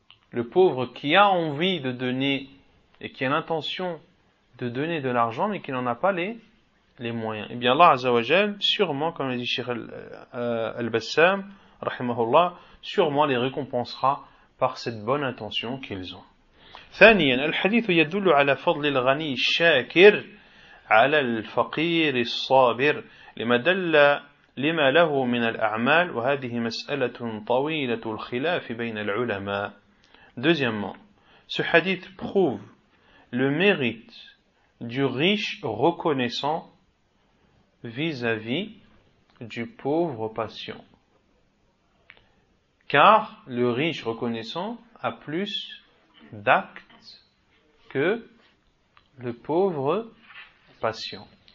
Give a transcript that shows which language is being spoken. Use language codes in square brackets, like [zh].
[fr] Le pauvre qui a envie de donner et qui a l'intention de donner de l'argent mais qui n'en a pas les moyens. Et bien Allah [ar] Azza wa Jal, [fr] sûrement, comme le dit Cheikh Al-Bassam, [ar] rahimahullah, [fr] sûrement les récompensera par cette bonne intention qu'ils ont. [ar] ثانيا الحديث يدل على فضل الغني الشاكر على الفقير الصابر لما دل لما له من الأعمال وهذه مسألة طويلة الخلاف بين العلماء. [fr] Deuxièmement, ce hadith prouve le mérite du riche reconnaissant vis-à-vis du pauvre patient. Car le riche reconnaissant a plus d'actes que le pauvre patient.